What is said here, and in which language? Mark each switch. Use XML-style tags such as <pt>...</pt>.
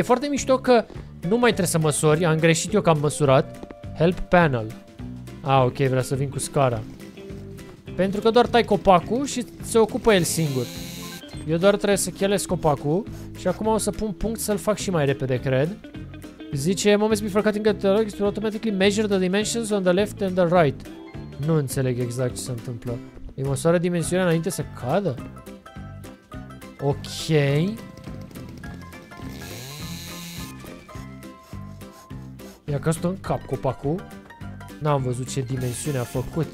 <ro>E foarte mișto că nu mai trebuie să măsori. Am greșit eu că am măsurat. Help panel. Ah, ok, vrea să vin cu scara. Pentru că doar tai copacul și se ocupă el singur. Eu doar trebuie să chelesc copacul. Și acum o să pun punct să-l fac și mai repede, cred. Zice,</ro> <en>moments before cutting the log is to automatically measure the dimensions on the left and the right.</en> <ro>Nu înțeleg exact ce se întâmplă. Îi măsoară dimensiunea înainte să cadă? Ok. Ia că stă în cap copacul. N-am văzut ce dimensiune a făcut.</ro>